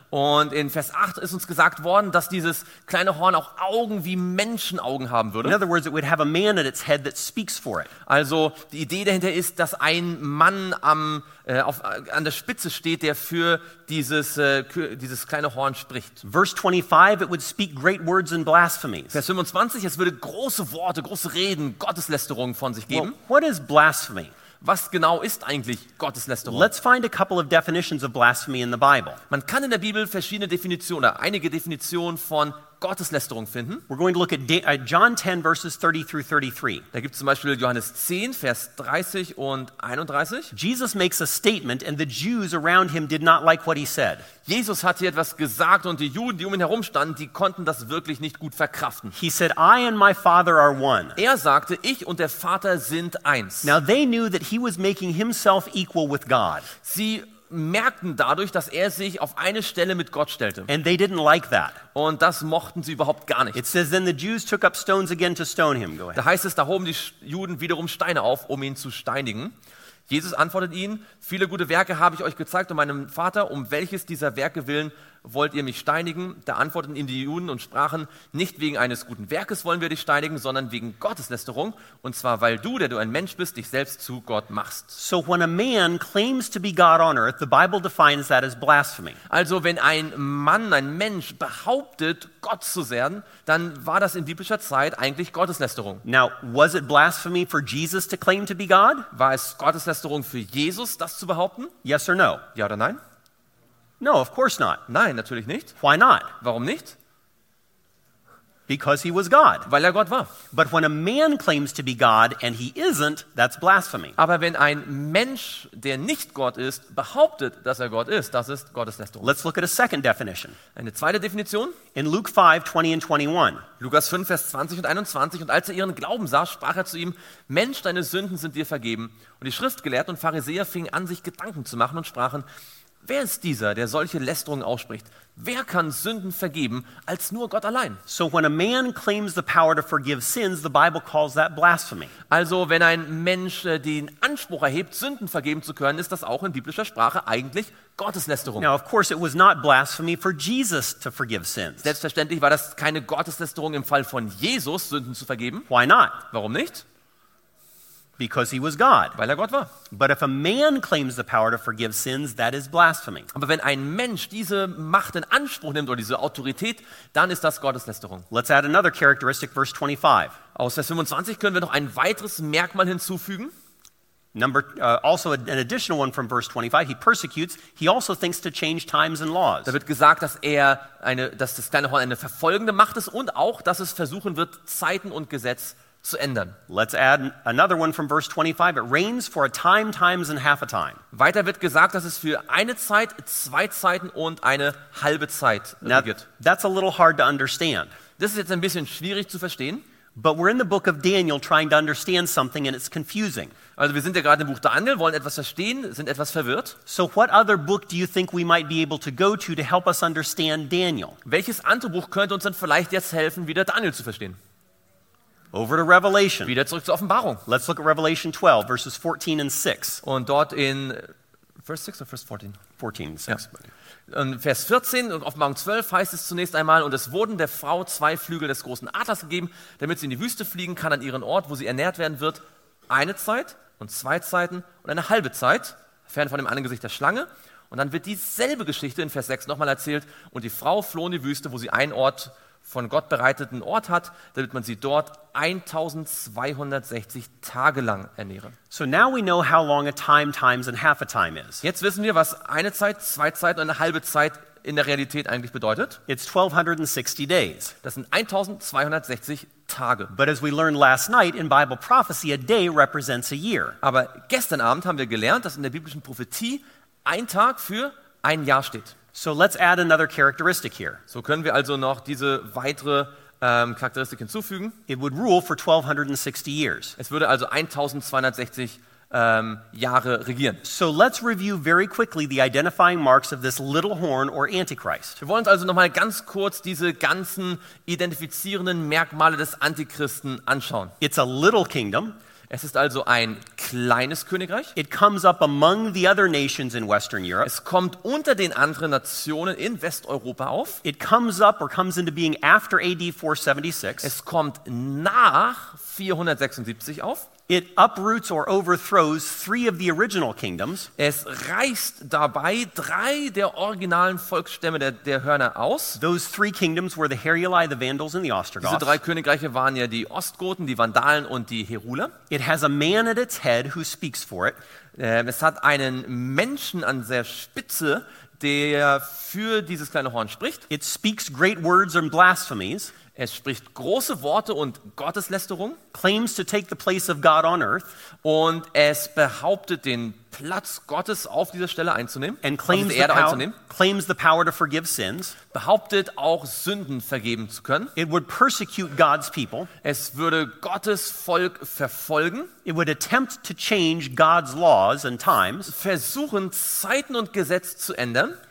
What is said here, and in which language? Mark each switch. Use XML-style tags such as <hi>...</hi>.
<de>Und in Vers 8 ist uns gesagt worden, dass dieses kleine Horn auch Augen wie Menschenaugen haben würde.</de> <en>In other words, it would have a man at its head that speaks for it.</en> <de>Also die Idee dahinter ist, dass ein Mann an der Spitze steht, der für dieses kleine Horn spricht.</de> <en>Verse 25, it would speak great words and blasphemies.</en> <de>Vers 25, es würde große Worte, große Reden, Gotteslästerungen von sich geben.</de> <en>Well, what is blasphemy?</en> <de>Was genau ist eigentlich Gotteslästerung?</de> <en>Let's find a couple of definitions of blasphemy in the Bible.</en> <de>Man kann in der Bibel verschiedene Definitionen oder einige Definitionen von Gotteslästerung finden.</de> <en>We're going to look at John 10 verses 30 through 33.</en> <de>Da gibt's zum Beispiel Johannes 10 Vers 30 und 31.</de> <en>Jesus makes a statement and the Jews around him did not like what he said.</en> <de>Jesus hat hier etwas gesagt und die Juden, die um ihn herum standen, die konnten das wirklich nicht gut verkraften.</de> <en>He said, I and my Father are one.</en> <de>Er sagte, ich und der Vater sind eins.</de> <en>Now they knew that he was making himself equal with God.</en> <de>Sie merkten dadurch, dass er sich auf eine Stelle mit Gott stellte.</de> <en>And they didn't like that.</en> <de>Und das mochten sie überhaupt gar nicht.</de> <en>It says, then the Jews took up stones again to stone him.</en> <de>Da heißt es, da hoben die Juden wiederum Steine auf, um ihn zu steinigen. Jesus antwortet ihnen, viele gute Werke habe ich euch gezeigt und meinem Vater, um welches dieser Werke willen wollt ihr mich steinigen? Da antworteten ihm die Juden und sprachen, nicht wegen eines guten Werkes wollen wir dich steinigen, sondern wegen Gotteslästerung, und zwar weil du, der du ein Mensch bist, dich selbst zu Gott machst.</de> <en>So when a man claims to be God on earth, the Bible defines that as blasphemy.</en> <de>Also wenn ein Mann, ein Mensch behauptet, Gott zu sein, dann war das in biblischer Zeit eigentlich Gotteslästerung.</de> <en>Now, was it blasphemy for Jesus to claim to be God?</en> <de>War es Gotteslästerung für Jesus, das zu behaupten?</de> <en>Yes or no?</en> <de>Ja oder nein?</de> <en>No, of course not.</en> <de>Nein, natürlich nicht.</de> <en>Why not?</en> <de>Warum nicht?</de> <en>Because he was God.</en> <de>Weil er Gott war.</de> <en>But when a man claims to be God and he isn't, that's blasphemy.</en> <de>Aber wenn ein Mensch, der nicht Gott ist, behauptet, dass er Gott ist, das ist Gotteslästerung.</de> <en>Let's look at a second definition.</en> <de>Eine zweite Definition.</de> <en>In Luke 5, 20 and 21.</en> <de>Lukas 5, Vers 20 und 21. Und als er ihren Glauben sah, sprach er zu ihm, Mensch, deine Sünden sind dir vergeben. Und die Schriftgelehrten und Pharisäer fingen an, sich Gedanken zu machen und sprachen, wer ist dieser, der solche Lästerungen ausspricht? Wer kann Sünden vergeben als nur Gott allein?</de> <en>So when a man claims the power to forgive sins, the Bible calls that blasphemy.</en> <de>Also wenn ein Mensch den Anspruch erhebt, Sünden vergeben zu können, ist das auch in biblischer Sprache eigentlich Gotteslästerung.</de> <en>Now of course it was not blasphemy for Jesus to forgive sins.</en> <de>Selbstverständlich war das keine Gotteslästerung im Fall von Jesus, Sünden zu vergeben.</de> <en>Why not?</en> <de>Warum nicht?</de> <en>Because he was God.</en> <de>Weil er Gott war.</de> <en>But if a man claims the power to forgive sins, that is blasphemy.</en> <de>Aber wenn ein Mensch diese Macht in Anspruch nimmt oder diese Autorität, dann ist das Gotteslästerung.</de> <en>Let's add another characteristic, verse 25.</en> <de>Aus Vers 25 können wir noch ein weiteres Merkmal hinzufügen.</de> <en>Also an additional one from verse 25. He persecutes. He also thinks to change times and laws.</en> <de>Da wird gesagt, dass das kleine Horn eine verfolgende Macht ist und auch, dass es versuchen wird, Zeiten und Gesetz zu ändern.</de> <en>Let's add another one from verse 25. It rains for a time, times and half a time.</en> <de>Weiter wird gesagt, dass es für eine Zeit, zwei Zeiten und eine halbe Zeit regnet.</de> <en>That's a little hard to understand.</en> <de>Das ist jetzt ein bisschen schwierig zu verstehen.</de> <en>But we're in the book of Daniel trying to understand something and it's confusing.</en> <de>Also wir sind ja gerade im Buch Daniel, wollen etwas verstehen, sind etwas verwirrt.</de> <en>So what other book do you think we might be able to go to help us understand Daniel?</en> <de>Welches andere Buch könnte uns dann vielleicht jetzt helfen, wieder Daniel zu verstehen?</de> <en>Over to Revelation.</en> <de>Wieder zurück zur Offenbarung.</de> <en>Let's look at Revelation 12, verses 14 and 6.</en> <de>Und dort in Vers 6 oder Vers 14?</de> <en>14, 6.</en> <de>Ja. Und Vers 14 und Offenbarung 12 heißt es zunächst einmal, und es wurden der Frau zwei Flügel des großen Adlers gegeben, damit sie in die Wüste fliegen kann an ihren Ort, wo sie ernährt werden wird, eine Zeit und zwei Zeiten und eine halbe Zeit, fern von dem Angesicht der Schlange. Und dann wird dieselbe Geschichte in Vers 6 nochmal erzählt, und die Frau floh in die Wüste, wo sie einen Ort von Gott bereiteten Ort hat, damit man sie dort 1260 Tage lang ernähre.</de> <en>So now we know how long a time, times and half a time is.</en> <de>Jetzt wissen wir, was eine Zeit, zwei Zeiten und eine halbe Zeit in der Realität eigentlich bedeutet.</de> <en>It's 1260 days.</en> <de>Das sind 1260 Tage.</de> <en>But as we learned last night in Bible prophecy, a day represents a year.</en> <de>Aber gestern Abend haben wir gelernt, dass in der biblischen Prophetie ein Tag für ein Jahr steht.</de> <en>So let's add another characteristic here.</en> <de>So können wir also noch diese weitere Charakteristik hinzufügen.</de> <en>It would rule for 1260 years.</en> <de>Es würde also 1260 Jahre regieren.</de> <en>So let's review very quickly the identifying marks of this little horn or antichrist.</en> <de>Wir wollen uns also noch mal ganz kurz diese ganzen identifizierenden Merkmale des Antichristen anschauen.</de> <en>It's a little kingdom.</en> <de>Es ist also ein kleines Königreich.</de> <en>It comes up among the other nations in Western Europe.</en> <de>Es kommt unter den anderen Nationen in Westeuropa auf.</de> <en>It comes up or comes into being after AD 476.</en> <de>Es kommt nach 476 auf.</de> <en>It uproots or overthrows three of the original kingdoms.</en> <de>Es reißt dabei drei der originalen Volksstämme der Hörner aus.</de> <en>Those three kingdoms were the Heruli, the Vandals and the Ostrogoths.</en> <de>Diese drei Königreiche waren ja die Ostgoten, die Vandalen und die Heruler.</de> <en>It has a man at its head who speaks for it.</en> <de>Es hat einen Menschen an der Spitze, der für dieses kleine Horn spricht.</de> <en>It speaks great words and blasphemies.</en> <de>Es spricht große Worte und Gotteslästerung.</de> <en>Claims to take the place of God on earth.</en> <de>Und es behauptet, den Platz Gottes auf dieser Stelle einzunehmen.</de> <en>And claims,</en> <de>auf die Erde einzunehmen.</de> <en>Claims the power to forgive sins.</en> <de>Behauptet, auch Sünden vergeben zu können.</de> <en>It would persecute God's people.</en> <de>Es würde Gottes Volk verfolgen.</de> <en>It would attempt to change God's laws and times.</en> <de>Versuchen, Zeiten und Gesetze zu ändern.</de>